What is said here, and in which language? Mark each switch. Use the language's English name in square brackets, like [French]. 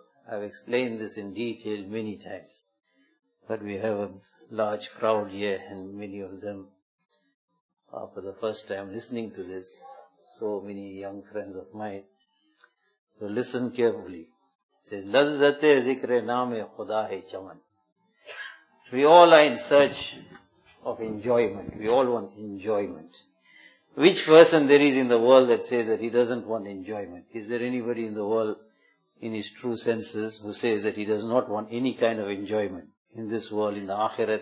[English] I've explained this in detail many times, but we have a large crowd here and many of them are for the first time listening to this. So many young friends of mine. So listen carefully. It says, [Urdu] لذتِ ذکرِ نامِ خدا ہے چمن. [English] We all are in search of enjoyment. We all want enjoyment. Which person there is in the world that says that he doesn't want enjoyment? Is there anybody in the world in his true senses who says that he does not want any kind of enjoyment in this world, in the akhirat?